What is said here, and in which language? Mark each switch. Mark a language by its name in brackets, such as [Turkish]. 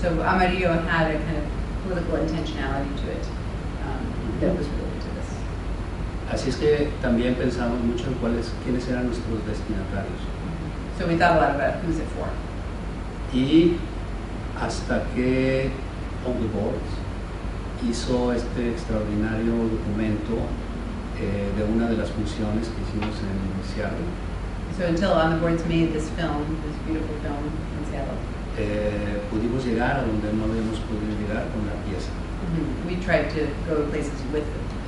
[English] So Amarillo had a kind of political intentionality to it that was related to this. [Spanish] Así es que también pensamos mucho en quiénes eran nuestros destinatarios. [English] So we thought a lot about who's it for. [Spanish] Y hasta que On the Boards hizo este extraordinario documento de una de las funciones que hicimos en Seattle. [English] So until On the Boards made this film, this beautiful film in Seattle, [Spanish] pudimos llegar a donde no habíamos podido llegar con la pieza. [English] Mm-hmm. We tried to go to places with it.